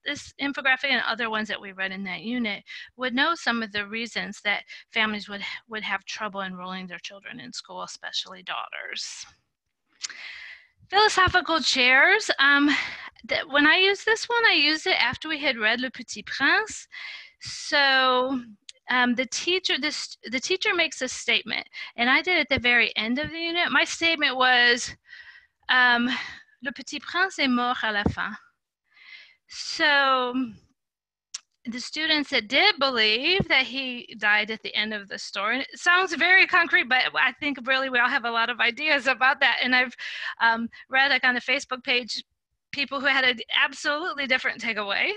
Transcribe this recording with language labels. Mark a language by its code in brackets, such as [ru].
[en] This infographic and other ones that we read in that unit would know some of the reasons that families would have trouble enrolling their children in school, especially daughters. Philosophical chairs. When I use this one, I used it after we had read Le Petit Prince. So the teacher makes a statement, and I did it at the very end of the unit. My statement was, [fr] Le Petit Prince est mort à la fin. [en] So the students that did believe that he died at the end of the story, it sounds very concrete, but I think really we all have a lot of ideas about that. And I've read like on the Facebook page, people who had an absolutely different takeaway.